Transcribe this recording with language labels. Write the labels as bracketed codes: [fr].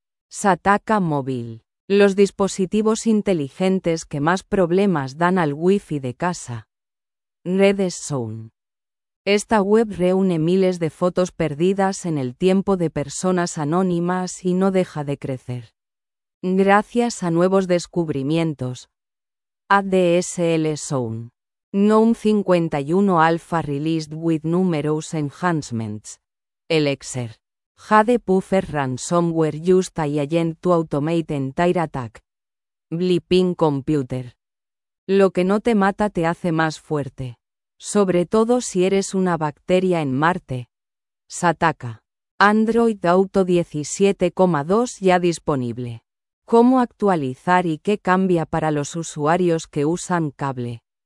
[es] Sataka móvil. Los dispositivos inteligentes que más problemas dan al Wi-Fi de casa. Redes Zone. Esta web reúne miles de fotos perdidas en el tiempo de personas anónimas y no deja de crecer. Gracias a nuevos descubrimientos. ADSL Zone. [en] GNOME 51 Alpha released with numerous enhancements. Elixir. Jade Puffer ransomware used by agent to automate entire attack. Bleeping Computer. [es] Lo que no te mata te hace más fuerte. Sobre todo si eres una bacteria en Marte. Sataka. Android Auto 17.2 ya disponible. ¿Cómo actualizar y qué cambia para los usuarios que usan cable?